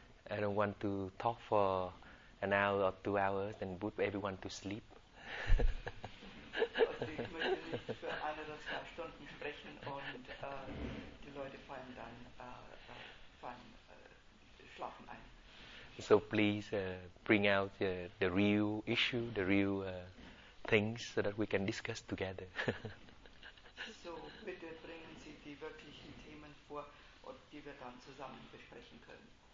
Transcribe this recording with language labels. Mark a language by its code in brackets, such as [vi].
[en] I don't want to talk for an hour or 2 hours and put everyone to sleep. [de] Ich möchte nicht für 1 oder 2 Stunden sprechen und die Leute fallen dann schlafen ein. [en] So please bring out the real issue, the real things, so that we can discuss together. [de] So bitte bringen Sie die wirklichen Themen vor, die wir dann zusammen besprechen können.